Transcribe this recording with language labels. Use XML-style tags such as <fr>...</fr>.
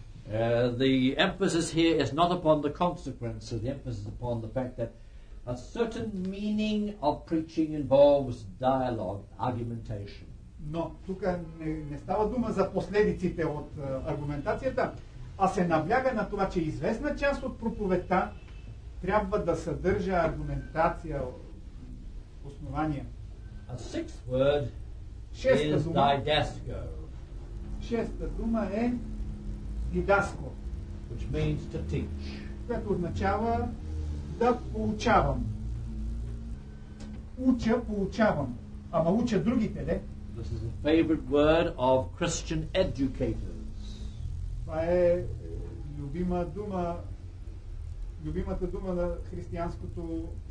<en>The emphasis here is not upon the consequences, the emphasis is upon the fact that a certain meaning of preaching involves dialogue, argumentation.</en> <bg>Но тук не става дума за последиците от аргументацията, а се набляга на това, че известна част от проповедта трябва да съдържа аргументация, основания.</bg> <en>A sixth word is didasco.</en> <bg>Шеста дума е дидаско.</bg> <en>Which means to teach.</en> <bg>Което означава да поучавам. Уча, поучавам. Ама уча другите, де?</bg> <en>This is a favorite word of Christian educators.</en> <bg>Това е любима дума, любимата дума на християнското</bg>